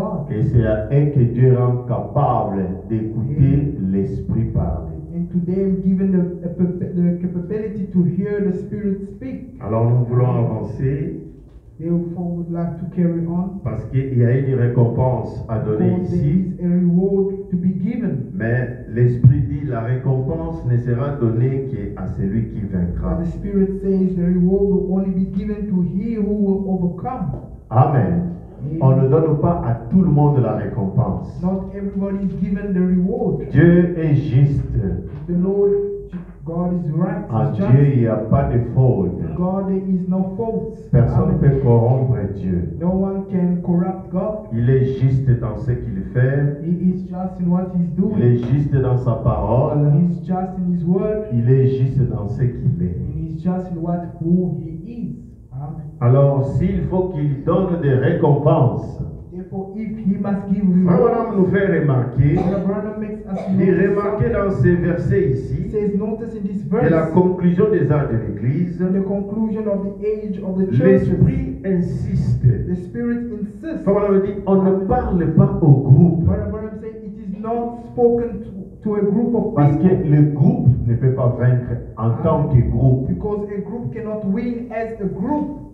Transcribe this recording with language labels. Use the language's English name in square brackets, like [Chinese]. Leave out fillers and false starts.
[French] Et c'est à eux que Dieu rend capable d'écouter l'Esprit parler. [English] and to them given the capability to hear the Spirit speak. [French] Alors nous voulons avancer. [English] Therefore, we'd like to carry on. [French] Parce qu'il y a une récompense à donner ici. [English] A reward to be given. [French] Mais l'Esprit dit la récompense ne sera donnée qu'à celui qui vaincra. [English] The Spirit says the reward will only be given to he who will overcome. Amen. [French] On ne donne pas à tout le monde la récompense. [English] Not everybody is given the reward. [French] Dieu est juste. [English] The Lord God is right. [French] En just. Dieu, il n'y a pas de faute. [English] God is no fault. [French] Personne ne peut corrompre Dieu. [English] No one can corrupt God. [French] Il est juste dans ce qu'il fait. [English] He is just in what he's doing. [French] Il est juste dans sa parole. [English] He is just in his word. [French] Il est juste dans ce qu'il est. [English] He is just in what who he is. [French] Alors, s'il faut qu'il donne des récompenses, [English] if he must give reward, Frère [French] Branham nous fait remarquer, les remarquer dans ces versets ici, et la conclusion des âges de l'Église, [English] the conclusion of the age of the [French] l'Esprit insiste. [English] The Spirit insists. [French] Frère Branham dit, on ne parle pas au groupe. [English] Frère Branham says, it is not spoken to. To a group of people. [French] Parce que le groupe ne peut pas vaincre en tant que groupe. [English] Because a group cannot win as a group.